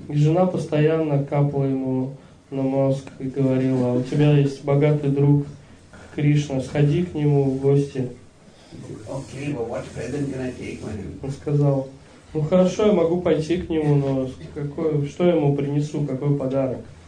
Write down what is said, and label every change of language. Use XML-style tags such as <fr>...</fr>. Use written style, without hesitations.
<ru>И жена постоянно капала ему на мозг и говорила: у тебя есть богатый друг Кришна, сходи к нему в гости.</ru> <en>Okay, well, what present can I take with him?</en> <ru>Он сказал: ну хорошо, я могу пойти к нему, но что я ему принесу, какой подарок?</ru>